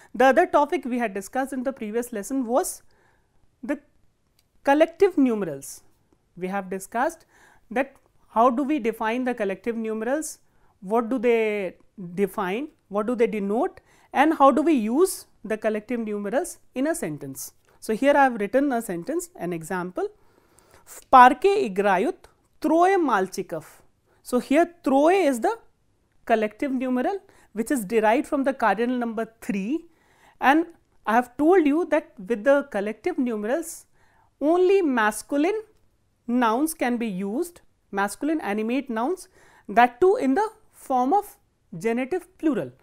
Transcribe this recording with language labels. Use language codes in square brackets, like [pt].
[en] The other topic we had discussed in the previous lesson was the collective numerals. We have discussed that how do we define the collective numerals, what do they define, what do they denote, and how do we use the collective numerals in a sentence. So, here I have written a sentence, an example. [ru] В парке играют трое мальчиков. [en] So, here трое is the collective numeral which is derived from the cardinal number 3, and I have told you that with the collective numerals only masculine nouns can be used, masculine animate nouns, that too in the form of genitive plural.